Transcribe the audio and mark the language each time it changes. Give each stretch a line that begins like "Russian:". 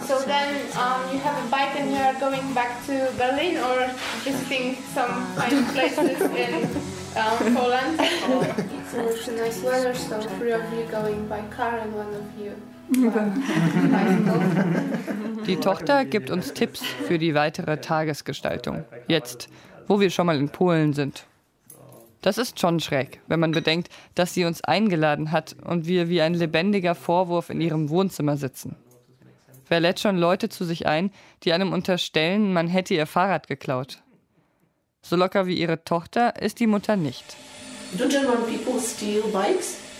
English: So then you have a bike and you are going back to Berlin or visiting some fine places in Poland. It's a nice weather, so three of you going by car and one of you.
German: Die Tochter gibt uns Tipps für die weitere Tagesgestaltung. Jetzt, wo wir schon mal in Polen sind. Das ist schon schräg, wenn man bedenkt, dass sie uns eingeladen hat und wir wie ein lebendiger Vorwurf in ihrem Wohnzimmer sitzen. Wer lädt schon Leute zu sich ein, die einem unterstellen, man hätte ihr Fahrrad geklaut? So locker wie ihre Tochter ist die Mutter nicht.
English: Do German people steal bikes?